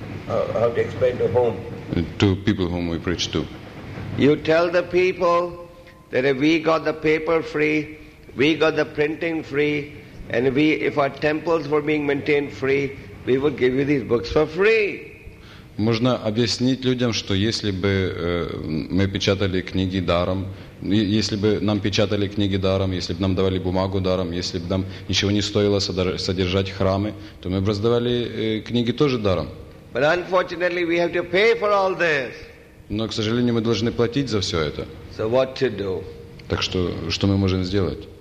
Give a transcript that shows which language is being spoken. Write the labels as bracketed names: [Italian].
[English] How to explain to whom? To people whom we preach to. You tell the people that if we got the paper free, we got the printing free, and if our temples were being maintained free, we would give you these books for free. [Russian] Можно объяснить людям, что если бы мы печатали книги даром, если бы нам печатали книги даром, если бы нам давали бумагу даром, если бы нам ничего не стоило содержать храмы, то мы бы раздавали книги тоже даром. [English] But unfortunately, we have to pay for all this. [Russian] Но, к сожалению, мы должны платить за все это. [English] So what to do? [Russian] Так что мы можем сделать?